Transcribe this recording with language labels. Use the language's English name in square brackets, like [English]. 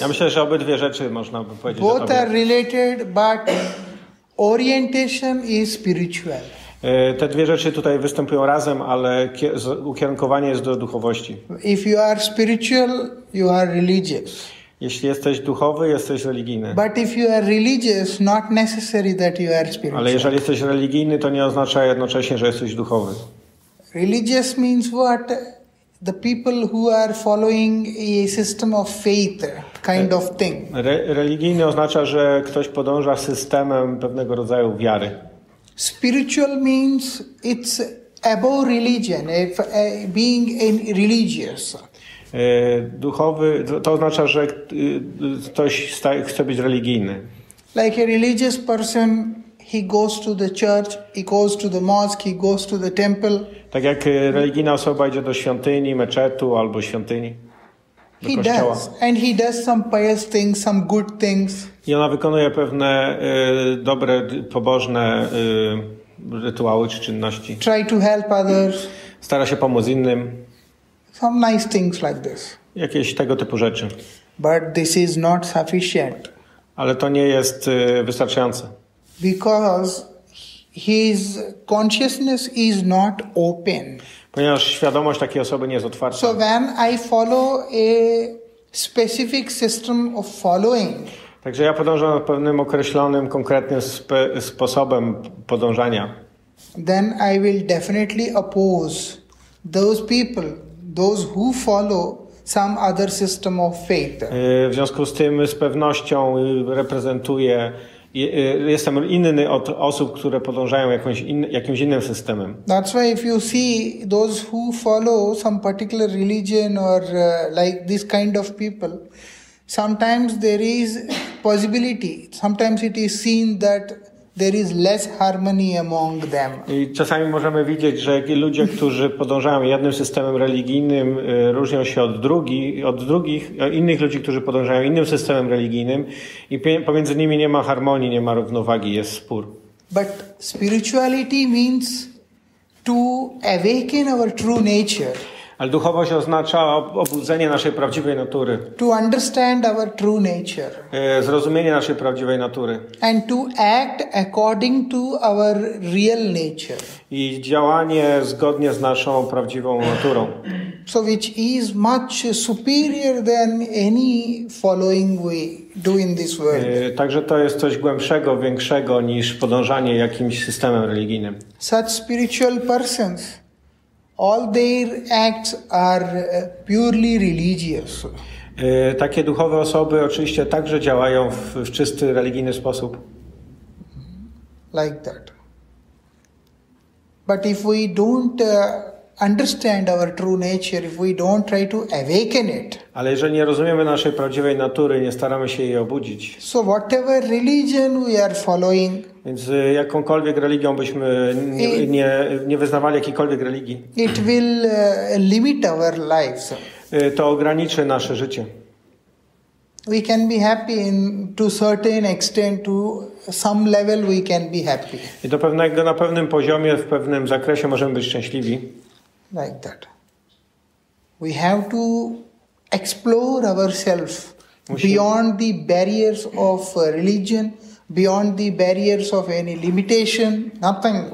[Polish] Ja myślę, że obydwie rzeczy można by powiedzieć. [English] Both are related, but orientation is spiritual. [Polish] Te dwie rzeczy tutaj występują razem, ale ukierunkowanie jest do duchowości. [English] If you are spiritual, you are religious. [Polish] Jeśli jesteś duchowy, jesteś religijny. [English] But if you are religious, not necessary that you are spiritual. [Polish] Ale jeżeli jesteś religijny, to nie oznacza jednocześnie, że jesteś duchowy. [English] Religious means what? The people who are following a system of faith, kind of thing. [Polish] Religijny oznacza, że ktoś podąża systemem pewnego rodzaju wiary. [English] Spiritual means it's above religion, being in religious. [Polish] Duchowy to oznacza, że ktoś chce być religijny. [English] Like a religious person, he goes to the church, he goes to the mosque, he goes to the temple. [Polish] Tak jak religijna osoba idzie do świątyni, meczetu albo świątyni. [English] He does, and he does some pious things, some good things. [Polish] I ona wykonuje pewne dobre, pobożne rytuały czy czynności. [English] Try to help others. [Polish] Stara się pomóc innym. [English] Some nice things like this. [Polish] Jakieś tego typu rzeczy. [English] But this is not sufficient. [Polish] Ale to nie jest wystarczające. [English] Because his consciousness is not open. [Polish] Ponieważ świadomość takiej osoby nie jest otwarta. [English] So when I follow a specific system of following. [Polish] Także ja podążam pewnym określonym, konkretnym sposobem podążania. [English] Then I will definitely oppose those people, those who follow some other system of faith. [Polish] W związku z tym z pewnością reprezentuję jestem inny od osób, które podążają jakimś innym systemem. [English] That's why if you see those who follow some particular religion or like this kind of people, sometimes there is possibility. Sometimes it is seen that there is less harmony among them. [Polish] I czasami możemy widzieć, że ludzie, którzy podążają jednym systemem religijnym, różnią się od drugich, innych ludzi, którzy podążają innym systemem religijnym, i pomiędzy nimi nie ma harmonii, nie ma równowagi, jest spór. [English] But spirituality means to awaken our true nature. [Polish] Ale duchowość oznacza obudzenie naszej prawdziwej natury. [English] To understand our true nature. [Polish] Zrozumienie naszej prawdziwej natury. [English] And to act according to our real nature. [Polish] I działanie zgodnie z naszą prawdziwą naturą. [English] So which is much superior than any following we do in this world. [Polish] Także to jest coś głębszego, większego niż podążanie jakimś systemem religijnym. [English] Such spiritual persons, all their acts are purely religious. [Polish] Takie duchowe osoby oczywiście także działają w czysty religijny sposób. [English] Like that. But if we don't understand our true nature, if we don't try to awaken it. [Polish] Ale jeżeli nie rozumiemy naszej prawdziwej natury, nie staramy się jej obudzić. [English] So whatever religion we are following. [Polish] Więc jakąkolwiek religią byśmy nie wyznawali, jakiejkolwiek religii. [English] It will limit our lives. [Polish] To ograniczy nasze życie. [English] We can be happy in, to certain extent, to some level we can be happy. [Polish] I do pewnego, na pewnym poziomie, w pewnym zakresie możemy być szczęśliwi. [English] Like that. We have to explore ourselves beyond the barriers of religion, beyond the barriers of any limitation, nothing.